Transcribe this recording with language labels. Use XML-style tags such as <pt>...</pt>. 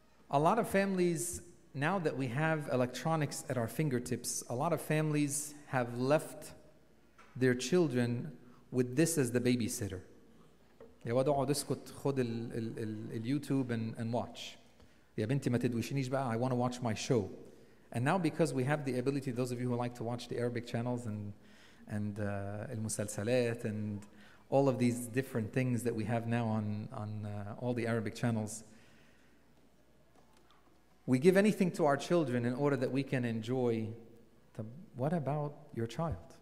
<en>A lot of families, now that we have electronics at our fingertips, a lot of families have left their children with this as the babysitter.</en> <ar>يا واد اقعد اسكت خد اليوتيوب</ar> <en>and watch.</en> <ar>يا بنتي ما تدوشنيش بقى,</ar> <en>I want to watch my show. And now because we have the ability, those of you who like to watch the Arabic channels and المسلسلات and all of these different things that we have now on all the Arabic channels, we give anything to our children in order that we can enjoy the, what about your child?</en>